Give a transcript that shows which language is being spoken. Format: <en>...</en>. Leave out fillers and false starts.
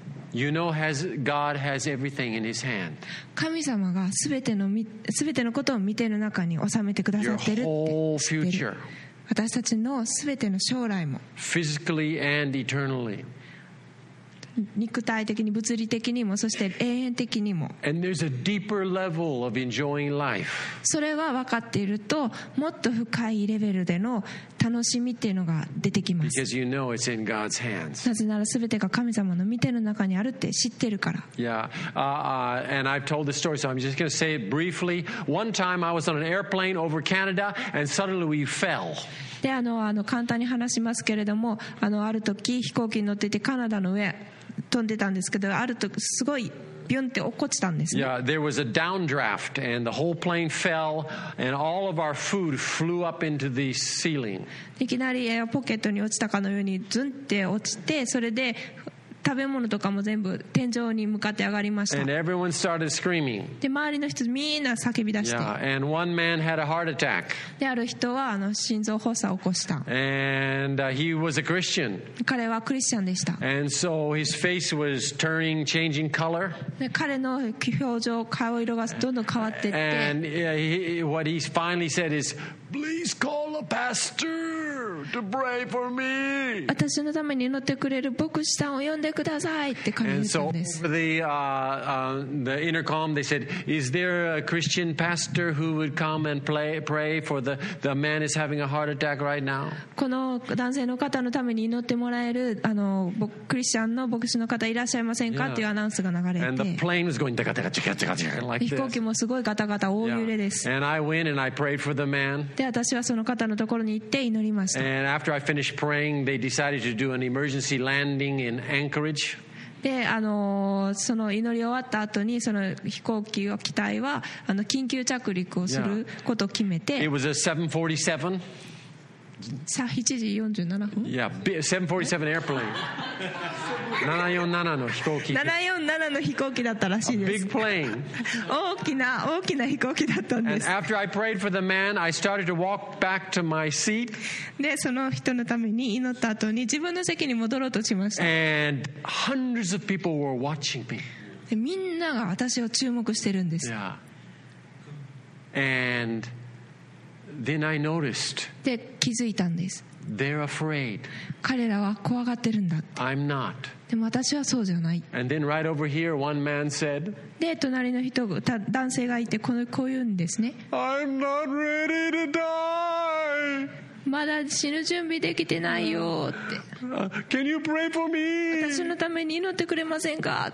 <en>You know, has God has everything in His hand.</en> <ja>神様がすべてのことを見ての中に収めてくださってるって。</ja> <en>Your whole future.</en> <ja>私たちのすべての将来も。</ja> <en>Physically and eternally.</en> <ja>肉体的に物理的にもそして永遠的にも。</ja> <en>And there's a deeper level of enjoying life.</en> <ja>それは分かっているともっと深いレベルでの楽しみっていうのが出てきます。</ja> <en>Because you know it's in God's hands.</en> <ja>なぜなら全てが神様の見ての中にあるって知ってるから。</ja> <en>Yeah, and I've told this story, so I'm just going to say it briefly. One time I was on an airplane over Canada, and suddenly we fell.</en> <ja>で、簡単に話しますけれども、ある時飛行機に乗っててカナダの上飛んでたんですけど、ある時すごい。</ja> <en>Yeah, there was a downdraft, and the whole plane fell, and all of our food flew up into the ceiling.</en> <ja>いきなりエアポケットに落ちたかのようにズンって落ちて、それで食べ物とかも全部天井に向かって上がりました。</ja> <en>And everyone started screaming.</en> <ja>で、周りの人みんな叫び出して。</ja> <en>Yeah, and one man had a heart attack.</en> <ja>で、ある人は心臓発作を起こした。</ja> <en>And he was a Christian.</en> <ja>彼はクリスチャンでした。</ja> <en>And so his face was turning, changing color.</en> <ja>で、彼の表情、顔色がどんどん変わってって。</ja> <en>And what he finally said is, "Please call a pastor to pray for me."</en> <ja>私のために祈ってくれる牧師さんを呼んで</ja> <en>And so over the intercom, they said, "Is there a Christian pastor who would come and pray for the man is having a heart attack right now?"</en> <ja>この男性の方のために祈ってもらえるクリスチャンの牧師の方いらっしゃいませんか、yeah. っていうアナウンスが流れて、</ja> <en>and the plane was going</en> <ja>ガタガタガチガチガチ</ja> <en>like this.</en> <ja>飛行機もすごいガタガタ大揺れです。</ja> <en>Yeah. And I went and I prayed for the man.</en> <ja>で、私はその方のところに行って祈りました。</ja> <en>And after I finished praying, they decided to do an emergency landing in Anchorage.</en> <ja>で、その祈り終わった後にその飛行機は機体は緊急着陸をすることを決めて。</ja> <en>Yeah. It was a 747.</en> <ja>さ、7時47分。</ja> <en>Yeah, 747 airplane.</en> <ja>747の飛行機。 747の飛行機だったらしいです。</ja> <en>A big plane.</en> <ja>大きな飛行機だったんです。</ja> <en>And after I prayed for the man, I started to walk back to my seat.</en> <ja>で、その人のために祈った後に自分の席に戻ろうとしました。</ja> <en>And hundreds of people were watching me.</en> <ja>で、みんなが私を注目してるんです。</ja> <en>Yeah. And then I noticed.</en> <ja>で、気づいたんです。</ja> <en>They're afraid.</en> <ja>彼らは怖がってるんだって。</ja> <en>I'm not.</en> <ja>でも私はそうじゃない。</ja> <en>And then right over here, one man said.</en> <ja>で、隣の人、男性がいて、こう言うんですね。</ja> <en>I'm not ready to die.</en> <ja>まだ死ぬ準備できてないよって。</ja> <en>Can you pray for me?</en> <ja>私のために祈ってくれませんか?</ja>